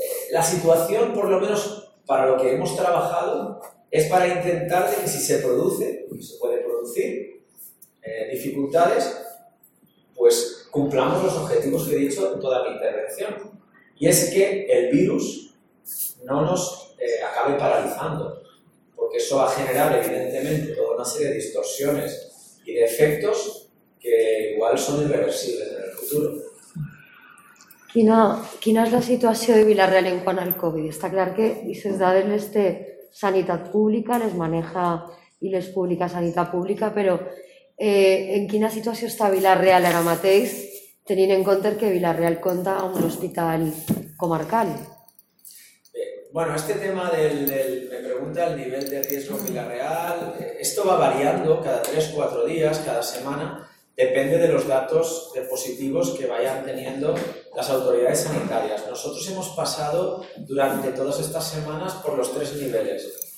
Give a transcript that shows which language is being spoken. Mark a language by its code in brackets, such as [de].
[es] La situación, por lo menos para lo que hemos trabajado, es para intentar de que si se produce, se puede producir dificultades, pues cumplamos los objetivos que he dicho en toda mi intervención. Y es que el virus no nos acabe paralizando. Que eso va a generar, evidentemente, toda una serie de distorsiones y de efectos que igual son irreversibles en el futuro. [ca] Quina és la situació de Villarreal en quant al Covid? Està clar que les dades les té Sanitat Pública, les maneja i les publica Sanitat Pública, però en quina situació està Villarreal ara mateix, tenint en compte que Villarreal compta amb un hospital comarcal? [es] Bueno, este tema del me pregunta el nivel de riesgo en Villarreal, esto va variando cada 3-4 días, cada semana, depende de los datos de positivos que vayan teniendo las autoridades sanitarias. Nosotros hemos pasado durante todas estas semanas por los tres niveles.